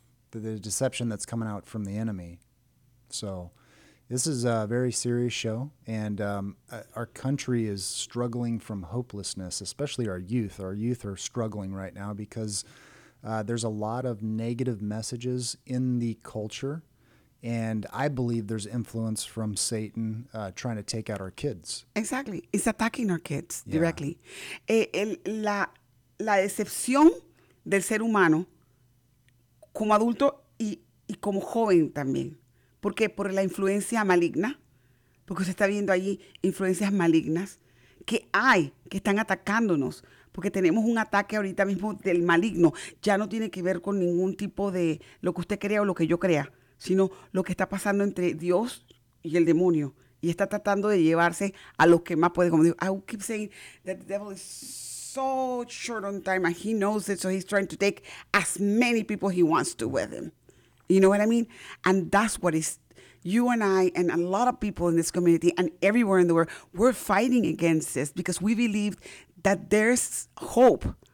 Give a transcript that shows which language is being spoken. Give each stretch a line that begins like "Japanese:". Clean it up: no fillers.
English: The deception that's coming out from the enemy. So this is a very serious show, and our country is struggling from hopelessness, especially our youth. Our youth are struggling right now because there's a lot of negative messages in the culture, and I believe there's influence from Satan trying to take out our kids. Exactly. It's attacking our kids directly. Yeah.
Spanish: La decepción del ser humano como adulto y como joven también. ¿Por qué? Por la influencia maligna. Porque usted está viendo ahí influencias malignas que hay, que están atacándonos. Porque tenemos un ataque ahorita mismo del maligno. Ya no tiene que ver con ningún tipo de lo que usted crea o lo que yo crea, sino lo que está pasando entre Dios y el demonio. Y está tratando de llevarse a los que más puede. Como digo,
English: I keep saying that the devil is so short on time, and he knows it, so he's trying to take as many people he wants to with him. You know what I mean? And that's what is you and I and a lot of people in this community and everywhere in the world, we're fighting against this because we believe that there's hope.